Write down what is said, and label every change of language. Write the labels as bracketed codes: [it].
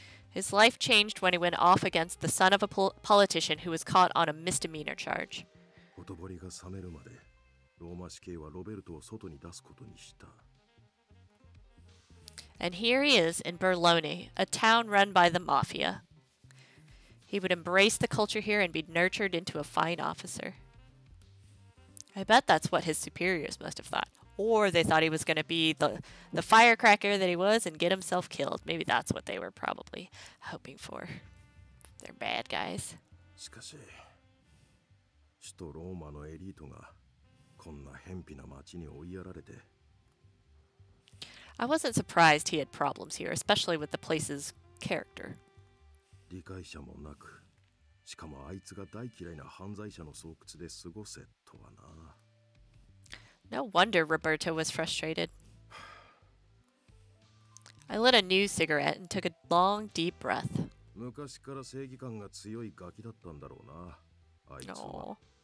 [en] His life changed when he went off against the son of a politician who was caught on a misdemeanor charge. [ja] ほとぼりが冷めるまで、ローマ死刑はロベルトを外に出すことにした。 [en] And here he is in Berlone, a town run by the Mafia. He would embrace the culture here and be nurtured into a fine officer. I bet that's what his superiors must have thought. Or they thought he was going to be the firecracker that he was and get himself killed. Maybe that's what they were probably hoping for. They're bad guys. [ja] しかし、首都ローマのエリートがこんな偏僻な町に追いやられて。 [en] I wasn't surprised he had problems here, especially with the place's character. [ja] 理解者もなく、しかもあいつが大嫌いな犯罪者の巣窟で過ごせとはな。 [en] No wonder Roberto was frustrated. I lit a new cigarette and took a long, deep breath. [ja] 昔から正義感が強いガキだったんだろうな、あいつは。